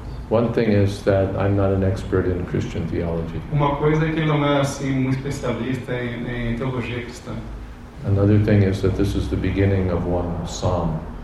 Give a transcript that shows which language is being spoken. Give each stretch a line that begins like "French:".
English: One thing is that I'm not an expert in Christian theology.
Portuguese: Uma coisa é que ele não é assim especialista em teologia cristã.
English: Another thing is that this is the beginning of one psalm.